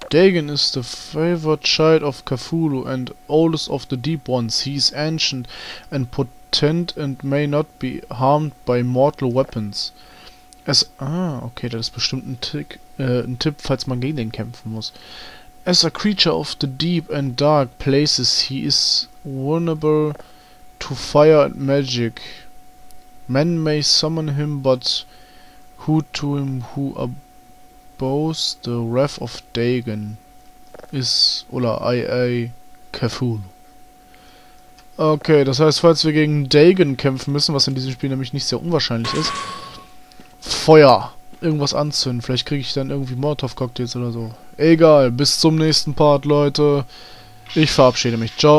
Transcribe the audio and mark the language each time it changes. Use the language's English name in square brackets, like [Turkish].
[English] Dagon is the favored child of Cthulhu and oldest of the Deep Ones. He is ancient and potent and may not be harmed by mortal weapons. [German] As okay, das ist bestimmt ein Tipp, falls man gegen den kämpfen muss. [English] As a creature of the deep and dark places, he is vulnerable to fire and magic. Men may summon him, but who to him who abhors the wrath of Dagon is Ola Ia Cthulhu. [German] Okay, das heißt, falls wir gegen Dagon kämpfen müssen, was in diesem Spiel nämlich nicht sehr unwahrscheinlich ist, Feuer. Irgendwas anzünden. Vielleicht kriege ich dann irgendwie Molotow-Cocktails oder so. Egal. Bis zum nächsten Part, Leute. Ich verabschiede mich. Ciao.